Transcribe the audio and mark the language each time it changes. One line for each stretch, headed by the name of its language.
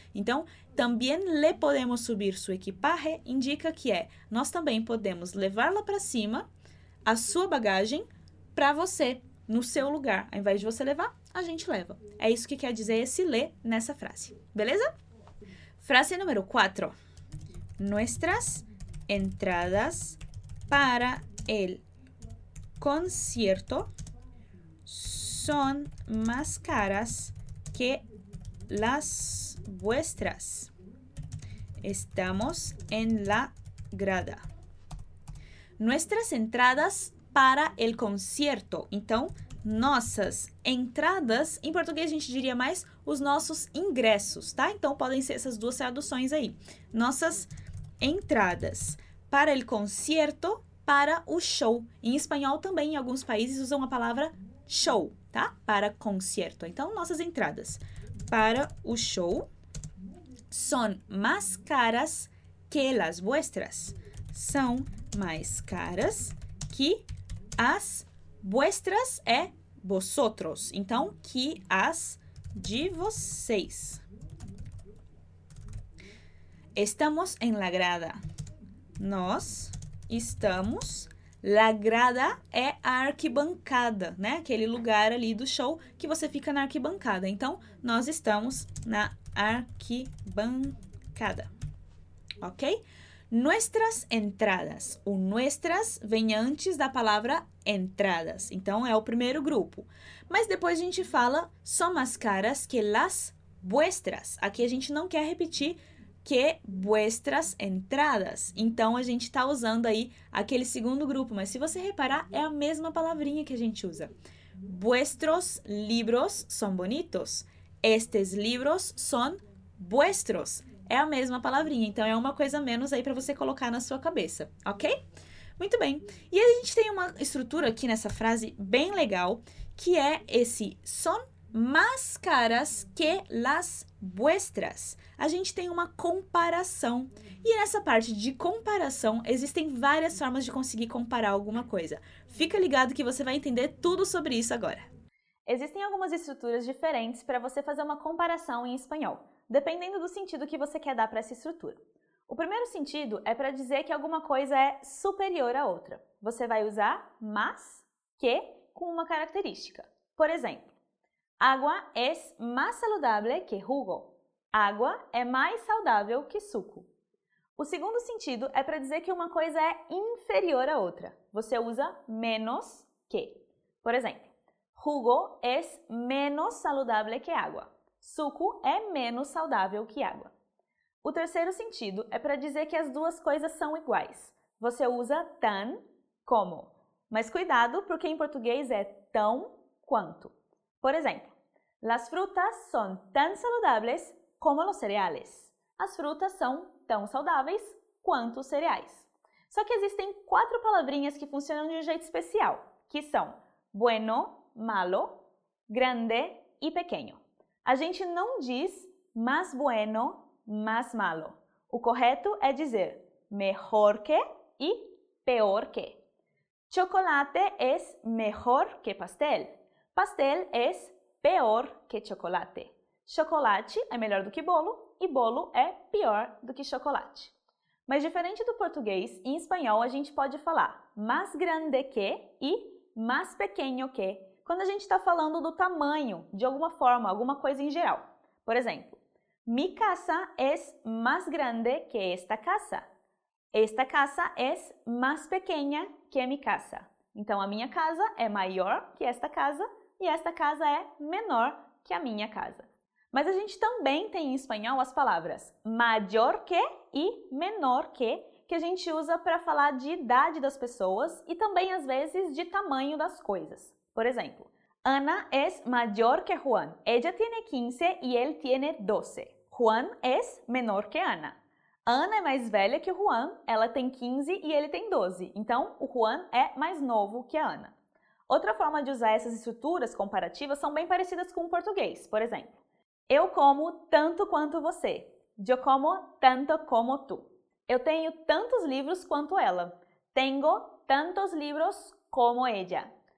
Portuguese: Então,
Spanish: también le podemos subir su equipaje
Portuguese: indica que é nós também podemos levá-la para cima, a sua bagagem, para você, no seu lugar. Ao invés de você levar, a gente leva. É isso que quer dizer esse le nessa frase. Beleza? Frase número 4.
Spanish: Nuestras entradas para el concierto son más caras que las vuestras. Estamos en la grada. Nuestras entradas para el concierto.
Portuguese: Então, nossas entradas, em português a gente diria mais os nossos ingressos, tá? Então, podem ser essas duas traduções aí. Nossas entradas
Spanish: para el concierto,
Portuguese: para o show. Em espanhol também, em alguns países, usam a palavra show, tá? Para concierto. Então, nossas entradas para o show
Spanish: son más caras que las vuestras.
Portuguese: São mais caras que as vuestras é vosotros. Então, que as de vocês.
Spanish: Estamos en la grada.
Portuguese: Nós estamos. La grada é a arquibancada, né? Aquele lugar ali do show que você fica na arquibancada. Então, nós estamos na arquibancada, ok?
Spanish: Nuestras entradas.
Portuguese: O nuestras vem antes da palavra entradas. Então, é o primeiro grupo. Mas depois a gente fala,
Spanish: son más caras que las vuestras.
Portuguese: Aqui a gente não quer repetir que vuestras entradas. Então, a gente está usando aí aquele segundo grupo. Mas se você reparar, é a mesma palavrinha que a gente usa.
Spanish: Vuestros libros son bonitos.
Portuguese: Estes livros são vuestros. É a mesma palavrinha, então é uma coisa menos aí para você colocar na sua cabeça, ok? Muito bem. E a gente tem uma estrutura aqui nessa frase bem legal, que é esse son
Spanish: más caras que las vuestras.
Portuguese: A gente tem uma comparação. E nessa parte de comparação, existem várias formas de conseguir comparar alguma coisa. Fica ligado que você vai entender tudo sobre isso agora. Existem algumas estruturas diferentes para você fazer uma comparação em espanhol, dependendo do sentido que você quer dar para essa estrutura. O primeiro sentido é para dizer que alguma coisa é superior à outra. Você vai usar más que com uma característica. Por exemplo,
Spanish: agua es más saludable que jugo.
Portuguese: Água é mais saudável que suco. O segundo sentido é para dizer que uma coisa é inferior à outra. Você usa menos que. Por exemplo,
Spanish: jugo es menos saludable que agua.
Portuguese: Suco é menos saudável que água. O terceiro sentido é para dizer que as duas coisas são iguais. Você usa tan como. Mas cuidado, porque em português é tão quanto. Por exemplo,
Spanish: las frutas son tan saludables como los cereales.
Portuguese: As frutas são tão saudáveis quanto os cereais. Só que existem quatro palavrinhas que funcionam de um jeito especial, que são bueno, malo, grande e pequeno. A gente não diz más bueno, más malo. O correto é dizer mejor que e peor que.
Spanish: Chocolate es mejor que pastel. Pastel es peor que chocolate.
Portuguese: Chocolate é melhor do que bolo e bolo é pior do que chocolate. Mas diferente do português, em espanhol a gente pode falar más grande que e más pequeño que quando a gente está falando do tamanho, de alguma forma, alguma coisa em geral. Por exemplo,
Spanish: mi casa es más grande que esta casa. Esta casa es más pequeña que mi casa.
Portuguese: Então, a minha casa é maior que esta casa e esta casa é menor que a minha casa. Mas a gente também tem em espanhol as palavras mayor que e menor que a gente usa para falar de idade das pessoas e também, às vezes, de tamanho das coisas. Por exemplo,
Spanish: Ana es mayor que Juan. Ella tiene 15 y él tiene 12. Juan es menor que Ana.
Portuguese: Ana é mais velha que Juan, ela tem 15 e ele tem 12. Então, o Juan é mais novo que a Ana. Outra forma de usar essas estruturas comparativas são bem parecidas com o português. Por exemplo, eu como tanto quanto você.
Spanish: Yo como tanto como tú.
Portuguese: Eu tenho tantos livros quanto ela.
Spanish: Tengo tantos libros como ella.